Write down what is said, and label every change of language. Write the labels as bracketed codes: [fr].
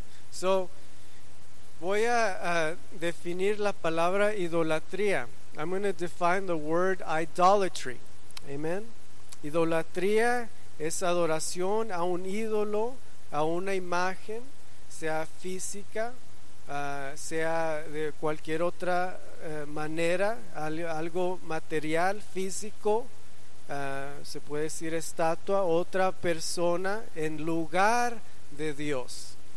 [es] So voy a definir la palabra idolatría. [en] I'm going to define the word idolatry. Amen. [es] Idolatría es adoración a un ídolo, a una imagen, sea física, sea de cualquier otra manera, algo material, físico, se puede decir estatua, otra persona en lugar de Dios.